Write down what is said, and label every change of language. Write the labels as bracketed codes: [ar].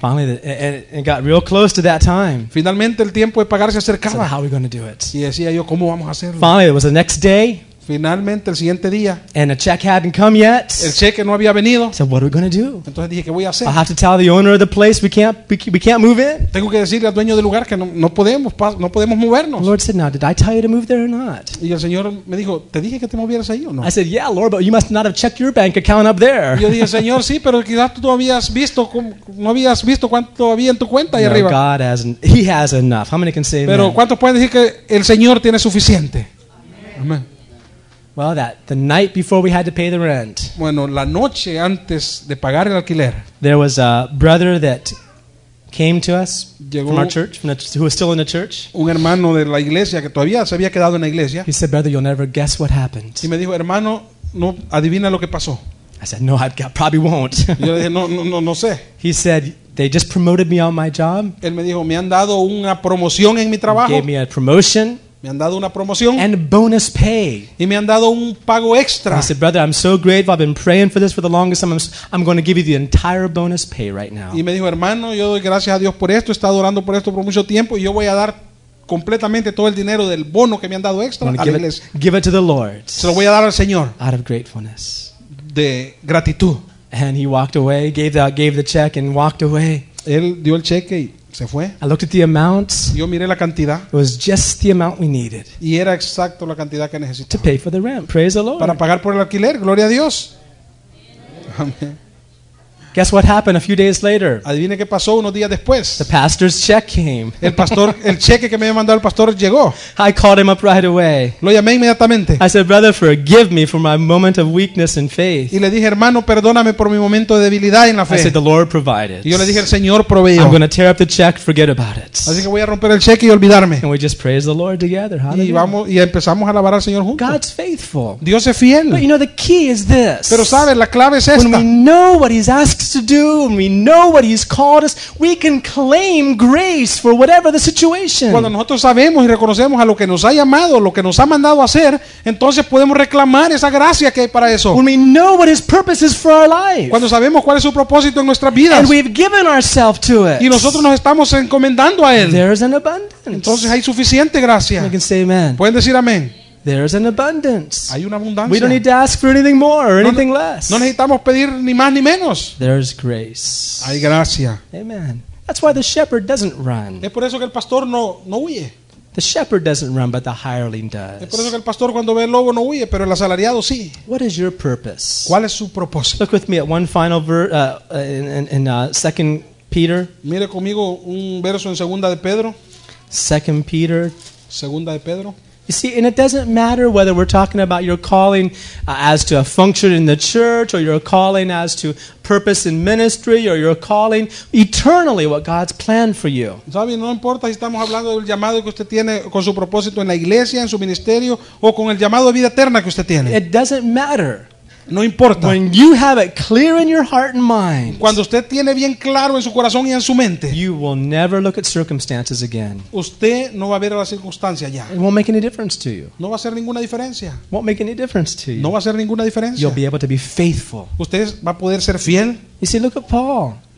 [en] Finally, it got real close to that time. [es] Finalmente el tiempo de pagar se acercaba. [en] I said, "How are we going to do it?" [es] Y decía yo, ¿cómo vamos a hacerlo? [en] Finally, it was the next day. [es] Finalmente el siguiente día. [en] And a check hadn't come yet. [es] El cheque no había venido. [en] I said, "What are we going to do?" [es] Entonces dije, ¿qué voy a hacer? [en] I have to tell the owner of the place we can't move in. [es] Tengo que decirle al dueño del lugar que no podemos movernos. [en] The Lord said, "Now, did I tell you to move there or not?" [es] Y el Señor me dijo, ¿te dije que te movieras ahí o no? [en] I said, "Yeah, Lord, but you must not have checked your bank account up there." [es] Yo dije, Señor, sí, pero quizás tú no habías visto cuánto había en tu cuenta ahí arriba. [en] God has enough. How many can say? [es] Pero ¿cuántos pueden decir que el Señor tiene suficiente? Amén. [en] Well, that the night before we had to pay the rent. [es] Bueno, la noche antes de pagar el alquiler. [en] There was a brother that came to us [es] llegó [en] from our church, who was still in the church. [es] Un hermano de la iglesia que todavía se había quedado en la iglesia. [en] He said, "Brother, you'll never guess what happened." [es] Y me dijo, hermano, no adivina lo que pasó. [en] I said, "No, I probably won't." [es] Yo le dije, no sé. [en] He said, "They just promoted me on my job." [es] Él me dijo, me han dado una promoción en mi trabajo. [en] He gave me a promotion. [es] Me han dado una promoción. [en] And bonus pay. [es] Y me han dado un pago extra. [en] He said, "Brother, I'm so grateful. I've been praying for this for the longest time. I'm going to give you the entire bonus pay right now." [es] Y me dijo, hermano, yo doy gracias a Dios por esto. He estado orando por esto por mucho tiempo. Y yo voy a dar completamente todo el dinero del bono que me han dado extra a la iglesia. [en] Give it to the Lord. [es] Se lo voy a dar al Señor. [en] Out of gratefulness. [es] De gratitud. [en] And he walked away. Gave the check and walked away. [es] Él dio el cheque y se fue. [en] I looked at the amounts. [es] Yo miré la cantidad. [en] It was just the amount we needed. [es] Y era exacto la cantidad que necesitaba. [en] To pay for the rent. Praise the Lord. [es] Para pagar por el alquiler. Gloria a Dios. [en] Amen. Guess what happened a few days later? [es] Adivine qué pasó unos días después. [en] The pastor's check came. [es] El cheque que me había mandado el pastor llegó. [en] I called him up right away. [es] Lo llamé inmediatamente. [en] I said, "Brother, forgive me for my moment of weakness and faith." [es] Y le dije, hermano, perdóname por mi momento de debilidad en la fe. [en] I said, "The Lord provided." [es] Y yo le dije, el Señor proveyó. [en] I'm going to tear up the check, forget about it. [es] Así que voy a romper el cheque y olvidarme. [en] And we just praise the Lord together. [es] Y vamos y empezamos a alabar al Señor juntos. [en] God's faithful. [es] Dios es fiel. [en] But you know the key is this. [es] Pero sabes, la clave es esta. [en] When we know what He's asked to do, when we know what He's called us, we can claim grace for whatever the situation. [es] Cuando nosotros sabemos y reconocemos a lo que nos ha llamado, lo que nos ha mandado a hacer, entonces podemos reclamar esa gracia que hay para eso. [en] When we know what His purpose is for our life. [es] Cuando sabemos cuál es su propósito en nuestras vidas. [en] And we've given ourselves to it. [es] Y nosotros nos estamos encomendando a Él. [en] There is an abundance. [es] Entonces hay suficiente gracia. [en] We can say amen. [es] Pueden decir amén. [en] There is an abundance. [es] Hay una abundancia. [en] We don't need to ask for anything more or anything less. [es] No necesitamos pedir ni más ni menos. [en] There is grace. [es] Hay gracia. [en] Amen. That's why the shepherd doesn't run. [es] Es por eso que el pastor no huye. [en] The shepherd doesn't run, but the hireling does. [es] Por eso que el pastor cuando ve el lobo no huye, pero el asalariado sí. [en] What is your purpose? [es] ¿Cuál es su propósito? [en] Look with me at one final verse in 2 Peter. [es] Mire conmigo un verso en Segunda de Pedro. [en] 2 Peter. [es] Segunda de Pedro. [en] You see, and it doesn't matter whether we're talking about your calling as to a function in the church, or your calling as to purpose in ministry, or your calling eternally what God's planned for you. [es] ¿Sabe? No importa si estamos hablando del llamado que usted tiene con su propósito en la iglesia, en su ministerio, o con el llamado de vida eterna que usted tiene. [en] It doesn't matter. [es] No importa. [en] When you have it clear in your heart and mind, [es] cuando usted tiene bien claro en su corazón y en su mente, [en] you will never look at circumstances again. [es] Usted no va a ver a las circunstancias ya. [en] It won't make any difference to you. [es] No va a hacer ninguna diferencia. [en] Won't make any difference to you. [es] No va a hacer ninguna diferencia. [en] You'll be able to be faithful. [es] Usted va a poder ser fiel. [en] You see, look at Paul.